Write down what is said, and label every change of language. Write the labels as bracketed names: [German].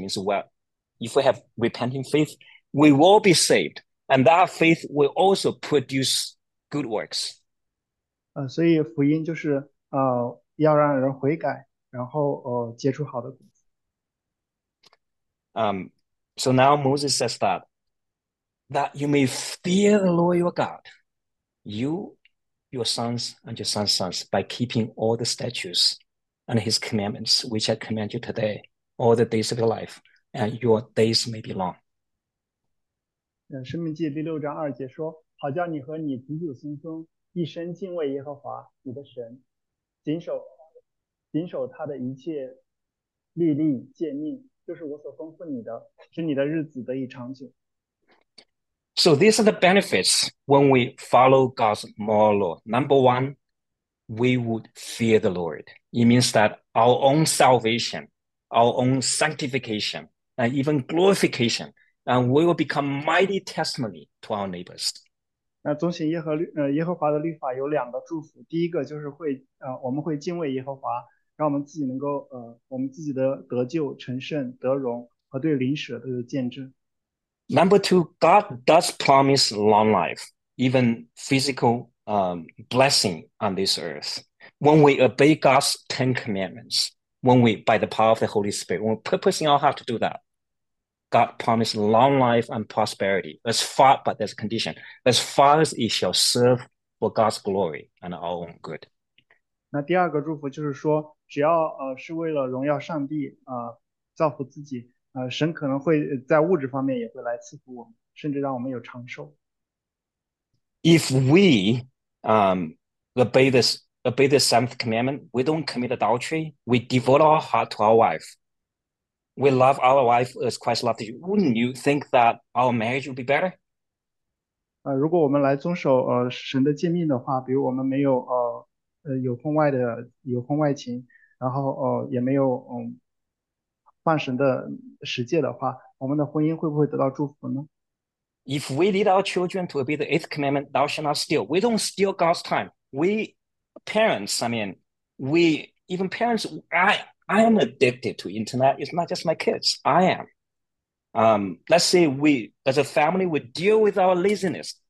[English] Means well, if we have repenting faith, we will be saved, and that faith will also produce good works. [Chinese] 所以福音就是要让人悔改，然后结出好的果子。 [English] So now Moses says that you may fear the Lord your God, you, your sons and your sons' sons, by keeping all the statutes and his commandments, which I command you today, all the days of your life, and your days may be long. [Chinese] 生命记第六章二节说，好叫你和你子子孙孙一生敬畏耶和华你的神，谨守他的一切律例诫命，就是我所吩咐你的，使你的日子得以长久。 [English] So these are the benefits when we follow God's moral law. Number one, we would fear the Lord. It means that our own salvation, our own sanctification, and even glorification, and we will become mighty testimony to our neighbors. [Chinese] 那遵循耶和华的律法有两个祝福，第一个就是会我们会敬畏耶和华，让我们自己能够我们自己的得救、成圣、得荣和对邻舍都有见证。 [English] Number two, God does promise long life, even physical blessing on this earth. When we obey God's Ten Commandments, when we, by the power of the Holy Spirit, when we purpose in our heart to do that, God promised long life and prosperity as far, but there's a condition, as far as it shall serve for God's glory and our own good. [Chinese] 那第二个祝福就是说，只要是为了荣耀上帝，造福自己，神可能会在物质方面也会来赐福我们，甚至让我们有长寿。 [English] If we obey the seventh commandment, we don't commit adultery, we devote our heart to our wife, we love our wife as Christ loved you, wouldn't you think that our marriage would be better? [Chinese] 如果我们来遵守神的诫命的话，比如我们没有有婚外的有婚外情，然后也没有犯神的十诫的话，我们的婚姻会不会得到祝福呢？ [English] If we lead our children to obey the eighth commandment, thou shalt not steal, we don't steal God's time. We parents, I mean, we even parents, I am addicted to internet. It's not just my kids. I am. Let's say we, as a family, we deal with our laziness.